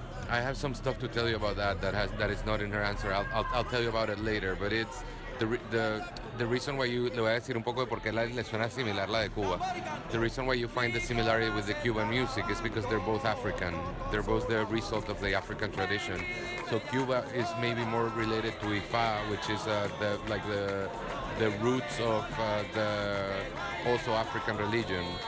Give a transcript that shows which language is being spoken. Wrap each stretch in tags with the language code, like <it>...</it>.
<en>I have some stuff to tell you about that is not in her answer. I'll tell you about it later. But it's the reason why you</en> <es>le voy a decir un poco de por qué le suena similar la de Cuba.</es> <en>The reason why you find the similarity with the Cuban music is because they're both African. They're both the result of the African tradition. So Cuba is maybe more related to Ifá, which is the roots of the also African religion.</en>